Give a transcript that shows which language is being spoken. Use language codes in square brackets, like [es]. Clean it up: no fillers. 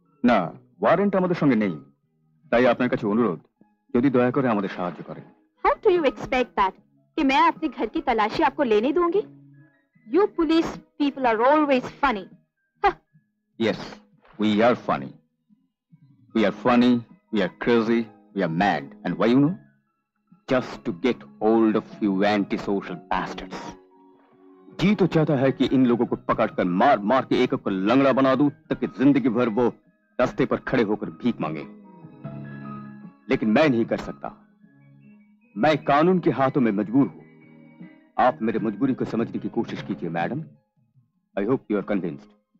[bn] না, ওয়ারেন্ট আমাদের সঙ্গে নেই, তাই আপনার কাছে অনুরোধ যদি দয়া করে আমাদের সাহায্য করেন। [en] how do you expect that [hi] কি মে আপনি ঘর কি তালাশি আপকো লেনে দুঙ্গি? [en] You police people are always funny. Yes, we are funny, we are funny, we are crazy, we are mad, and why you know? Just to get hold of you antisocial bastards. [hi] जी तो चाहता है कि इन लोगों को पकड़कर मार मार के एक एक को लंगड़ा बना दूं ताकि जिंदगी भर वो रास्ते पर खड़े होकर भीख मांगे, लेकिन मैं नहीं कर सकता, मैं कानून के हाथों में मजबूर हूं। आप मेरे मजबूरी को समझने की कोशिश कीजिए madam, [en] I hope you are convinced.